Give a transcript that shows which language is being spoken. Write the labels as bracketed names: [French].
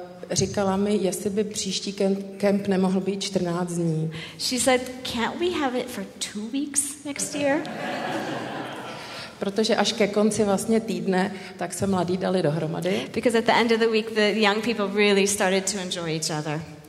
[Czech] Říkala mi, jestli by příští kemp nemohl být 14 dní. [English] She said, can't we have it for 2 weeks next year? [Czech] Protože až ke konci vlastně týdne, tak se mladí dali dohromady. [English] Because at the end of the week, the young people really started to enjoy each other.